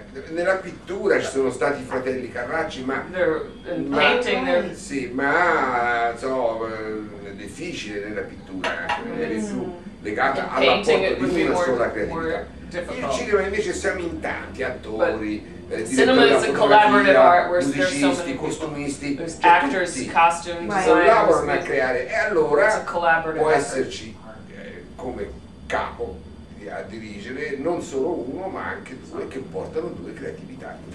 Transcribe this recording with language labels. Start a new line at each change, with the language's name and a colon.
Italian: nella pittura ci sono stati I fratelli Carracci ma
English: in painting
Italian: ma, sì ma so è difficile nella pittura è più legata all'apporto di una sola creatività.
English: Difficult.
Italian: Il cinema invece siamo in tanti attori,
English: cinema is a collaborative art where there's so many
Italian: costumisti,
English: actors, costume designers,
Italian: lavorano a creare e allora può esserci come capo a dirigere non solo uno ma anche due che portano due creatività.